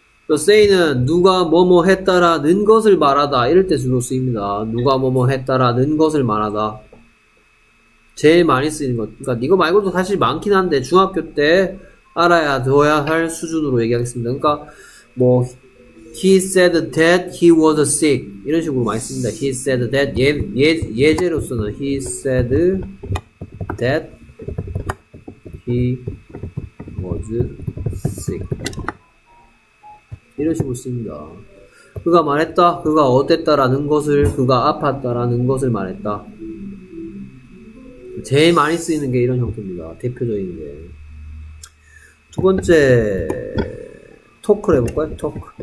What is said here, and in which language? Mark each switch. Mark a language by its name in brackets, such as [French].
[Korean] say는 누가 뭐뭐 했다라는 것을 말하다 이럴 때 주로 쓰입니다. 누가 뭐뭐 했다라는 것을 말하다 제일 많이 쓰이는 것. 그러니까 이거 말고도 사실 많긴 한데 중학교 때 알아야 둬야 할 수준으로 얘기하겠습니다. 그러니까 뭐 [English] He said that he was sick. [Korean] 이런 식으로 많이 씁니다. [English] He said that [Korean] 예제로서는 [English] he said that he was sick. [Korean] 이런 식으로 씁니다. 그가 말했다. 그가 어땠다라는 것을 그가 아팠다라는 것을 말했다. 제일 많이 쓰이는 게 이런 형태입니다. 대표적인 게. 두 번째 토크를 해볼까요? 토크.